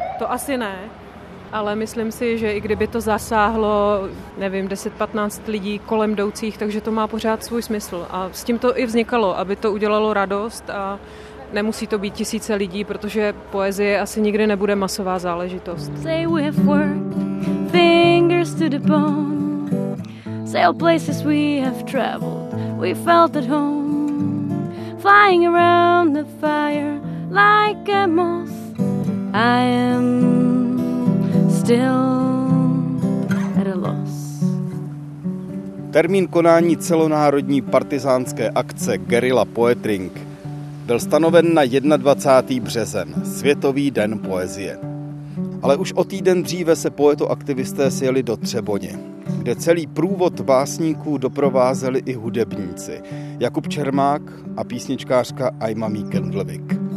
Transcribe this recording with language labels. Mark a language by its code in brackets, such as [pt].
[cs] To asi ne, ale myslím si, že i kdyby to zasáhlo, nevím, 10-15 lidí kolem jdoucích, takže to má pořád svůj smysl. A s tím to i vznikalo, aby to udělalo radost a nemusí to být tisíce lidí, protože poezie asi nikdy nebude masová záležitost. [en] Say we have worked, fingers to the bone. Sail places we have traveled, we felt at home. Flying around the fire like a moth, I am still at a loss. [cs] Termín konání celonárodní partizánské akce Guerilla Poetring byl stanoven na 21. březen, Světový den poezie. Ale už o týden dříve se poetoaktivisté sjeli do Třeboně, kde celý průvod básníků doprovázeli i hudebníci Jakub Čermák a písničkářka Aima Meekendlvik.